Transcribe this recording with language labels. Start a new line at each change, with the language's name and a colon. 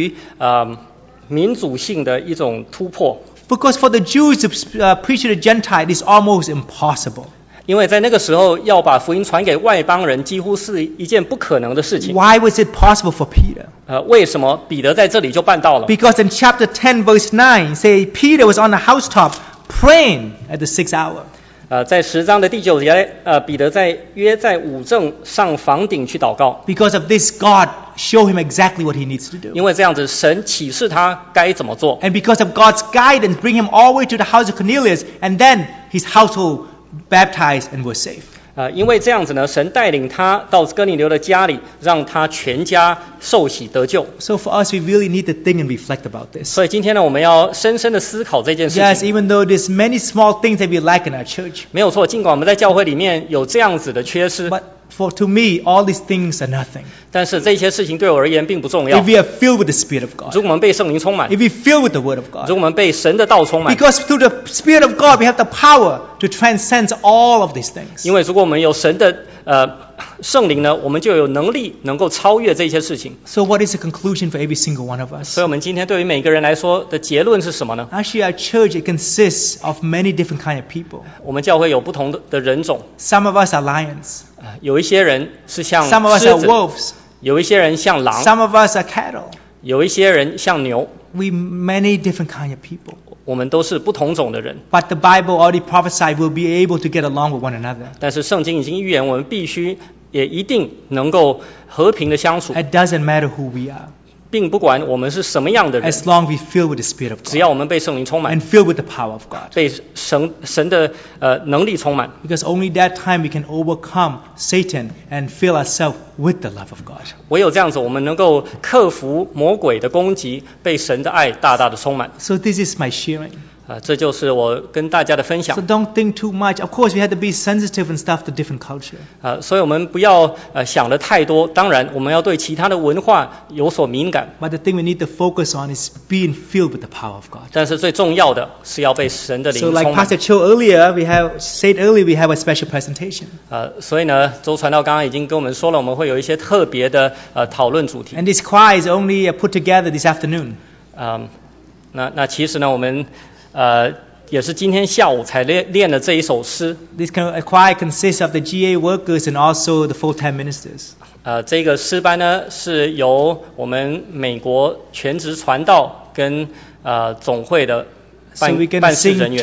Chinese: 这是一种对于民族性的一种突破。
English: Because for the Jews to preach to the Gentile is almost impossible.
Chinese: 因为在那个时候要把福音传给外邦人几乎是一件不可能的事情。
English: Why was it possible for Peter?
Chinese: 为什么彼得在这里就办到了?
English: Because in chapter 10 verse 9 say Peter was on the housetop praying at the sixth hour.
Chinese: 在十章的第九节, 彼得在约在午正上房顶去祷告。
English: Because of this, God showed him exactly what he needs to do.
Chinese: 因为这样子神启示他该怎么做。
English: And because of God's guidance, bring him all the way to the house of Cornelius, and then his household baptized and were saved.
Chinese: 因为这样子呢, 神带领他到哥尼流的家里, 让他全家受洗得救。
English: So for us, we really need to think and reflect about this.
Chinese: 所以今天呢, 我们要深深地思考这件事情。
English: Yes, even though there's many small things that we lack in our church,
Chinese: 没有错, 尽管我们在教会里面有这样子的缺失,
English: but for to me, all these things are nothing.
Chinese: 但是这些事情对我而言并不重要。
English: If we are filled with the Spirit of God,
Chinese: 如果我们被圣灵充满,
English: if we filled with the Word of God,
Chinese: 如果我们被神的道充满,
English: because through the Spirit of God, we have the power to transcend all of these things.
Chinese: 因为如果我们有神的, 圣灵呢, 我们就有能力, 能够超越这些事情。
English: So what is the conclusion for every single one of us?
Chinese: 所以我们今天对于每个人来说的结论是什么呢?
English: Actually, our church consists of many different kinds of people.
Chinese: 我们教会有不同的人种。
English: Some of us are lions.
Chinese: 有一些人是像,
English: some of us are wolves.
Chinese: 有一些人像狼,
English: some of us are cattle.
Chinese: 有一些人像牛,
English: we many different kinds of people.
Chinese: 我们都是不同种的人,
English: but the Bible already prophesied we'll be able to get along with one another.
Chinese: 但是圣经已经预言, 我们必须, 也一定能够和平的相处。
English: It doesn't matter who we are,
Chinese: 并不管我们是什么样的人,
English: as long we fill with the Spirit of God,
Chinese: 只要我们被圣灵充满,
English: and fill with the power of God,
Chinese: 被神的, 能力充满,
English: because only that time we can overcome Satan and fill ourselves with the love of God.
Chinese: 唯有这样子我们能够克服魔鬼的攻击, 被神的爱大大的充满。
English: So this is my sharing.
Chinese: 这就是我跟大家的分享。
English: So don't think too much. Of course, we have to be sensitive and stuff to different culture.
Chinese: 所以我们不要想的太多。当然，我们要对其他的文化有所敏感。
English: But the thing we need to focus on is being filled with the power of God.
Chinese: 但是最重要的是要被神的灵充满。
English: So like Pastor Cho earlier, we have said earlier, we have a special presentation.
Chinese: 所以呢，周传道刚刚已经跟我们说了，我们会有一些特别的讨论主题。
English: And this choir is only put together this afternoon.
Chinese: 那其实呢，我们也是今天下午才练了这一首诗。
English: This choir consists of the GA workers and also the full-time ministers.
Chinese: 这个诗班呢是由我们美国全职传道跟总会的办事人员。